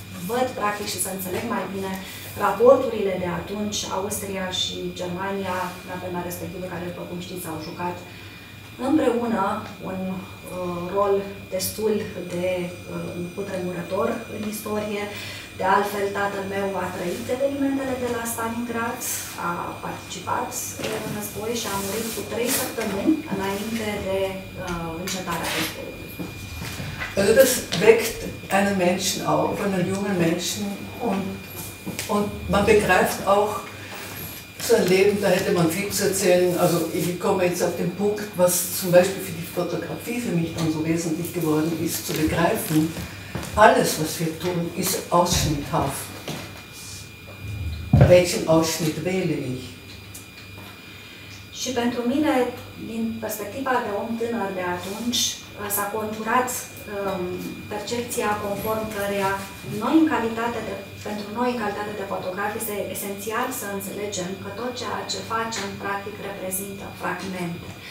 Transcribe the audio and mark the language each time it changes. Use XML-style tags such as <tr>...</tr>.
<ro>văd practic și să înțeleg mai bine raporturile de atunci, Austria și Germania, la vremea respectivă care, după cum știți, au jucat împreună un rol destul de cutremurător în istorie. De altfel, tatăl meu a trăit evenimentele de la Stalingrad, a participat în război și a murit cu 3 săptămâni înainte de încetarea războiului.</ro> <de>Also das weckt einen Menschen auf, einen jungen Menschen, und man begreift auch sein Leben, da hätte man viel zu erzählen. Also ich komme jetzt auf den Punkt, was zum Beispiel für die Fotografie für mich dann so wesentlich geworden ist, zu begreifen, alles, was wir tun, ist ausschnitthaft. Welchen Ausschnitt wähle ich?</de> <ro>Și pentru mine, din perspectiva de om tânăr de atunci, s-a conturat percepția conform căreia noi, în calitate de, pentru noi, în calitate de fotografi, este esențial să înțelegem că tot ceea ce facem, practic, reprezintă fragmente.</ro>